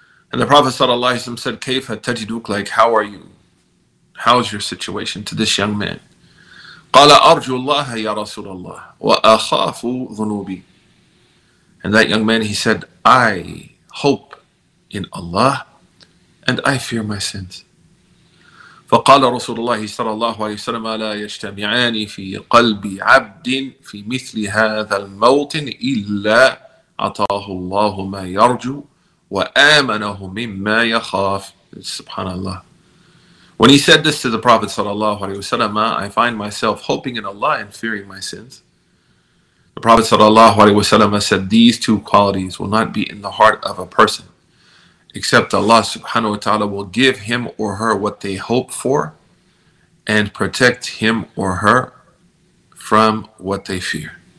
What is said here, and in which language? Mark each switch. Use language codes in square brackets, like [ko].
[en] And the Prophet sallallahu alayhi wa sallam said, [ar] كَيْفَ تَجِدُكَ, [en] like, how are you? How is your situation to this young man? [ar] قَالَ أَرْجُ اللَّهَ يَا رَسُولَ اللَّهِ وَأَخَافُ ذُنُوبِ. And that young man, he said, I hope in Allah and I fear my sins. فقال رسول الله صلى الله عليه وسلم لا يجتمعان في قلب عبد في مثل هذا الموطن إلا أعطاه الله ما يرجو وآمنه مما يخاف. سبحان الله. [en] When he said this to the Prophet صلى الله عليه وسلم, I find myself hoping in Allah and fearing my sins. The Prophet صلى الله عليه وسلم said, these two qualities will not be in the heart of a person except Allah subhanahu wa ta'ala will give him or her what they hope for and protect him or her from what they fear.